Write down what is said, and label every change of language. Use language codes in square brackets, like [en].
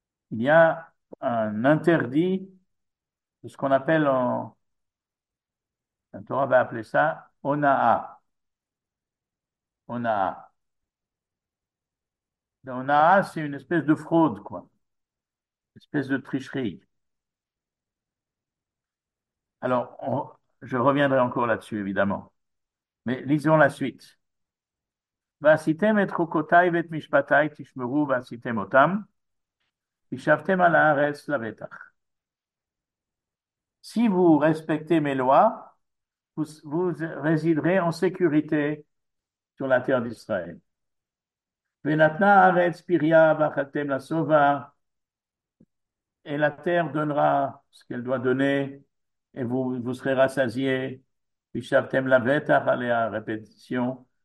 [fr] Il y a un interdit de ce qu'on appelle la Torah va appeler ça Ona'a. Ona'a. Ona'a, c'est une espèce de fraude, quoi. Une espèce de tricherie. Alors, je reviendrai encore là-dessus, évidemment. Mais lisons la suite. [he] ועשיתם את חוקותיי ואת משפטיי, תשמרו ועשיתם אותם, ושבתם על הארץ לבטח. [fr] Si vous respectez mes lois, vous résiderez en sécurité sur la terre d'Israël. [he] ונתנה הארץ פריה ואכלתם לשובע, [fr] et la terre donnera ce qu'elle doit donner, et vous serez rassasiés, [he] ושבתם לבטח עליה, [fr] répétition.